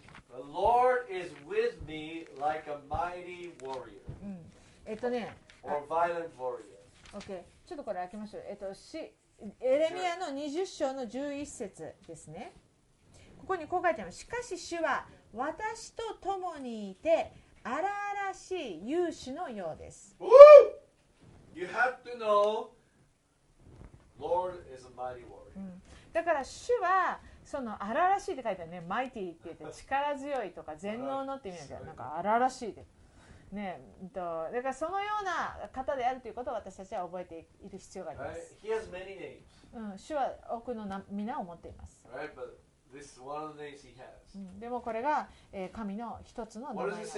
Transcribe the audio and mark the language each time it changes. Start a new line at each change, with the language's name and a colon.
English: The Lord is with me like a mighty warrior. Or violent warrior. Okay.
Japanese: ちょっとこれ開けましょう。エレミアの20章の11節ですね。ここにこう書いてあります。しかし主は私と共にいて荒々しい勇士のようです。
English: You have to know, Lord is a mighty warrior.
Japanese: だから主はその荒々しいって書いてあるね。Mighty って言って力強いとか全能のって意味だよ。なんか荒々しいで。ね、だからそのような方であるということを私たちは覚えている必要があります。
English: Right. He has many names.
Japanese: 主は多くの皆を持っています。
English: Right. But this is one of the names he has.
Japanese: でもこれが、神の一つの名前です。